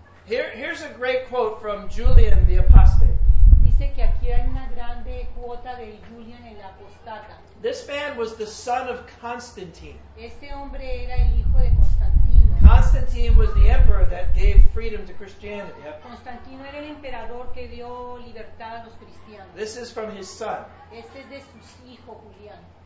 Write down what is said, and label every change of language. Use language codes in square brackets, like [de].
[en] Here's a great quote from Julian the Apostate. [es] Dice que aquí hay una grande cuota. nota de Julian el Apostata. [en] This man was the son of Constantine. [es] Este hombre era el hijo de Constantino. [en] Constantine was the emperor that gave freedom to Christianity. Yep. [es] Constantino era el emperador que dio libertad a los cristianos. [en] This is from his son. [es] Este es de su hijo Julián.